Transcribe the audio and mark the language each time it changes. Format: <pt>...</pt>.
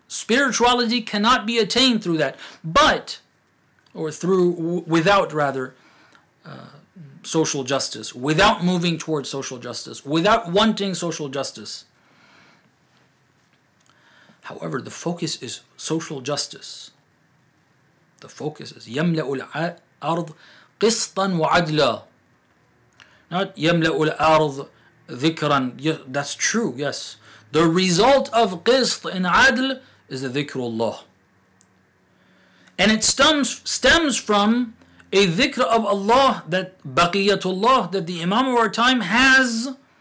<en>Spirituality cannot be attained through that, but, or through, without rather, social justice, without moving towards social justice, without wanting social justice. However, the focus is social justice. The focus is</en> <ar>يَمْلَأُ الْأَرْضِ قِسْطًا وَعَدْلًا. Not يَمْلَأُ الْأَرْضِ ذِكْرًا.</ar> <en>Yeah, that's true, yes. The result of</en> <ar>قِسْط</ar> <en>in عَدْل is the</en> <ar>ذِكْرُ اللَّهِ.</ar> <en>And it stems from a ذِكْر of Allah, that</en> <ar>بَقِيَّةُ اللَّهِ,</ar> <en>that the Imam of our time has.</en>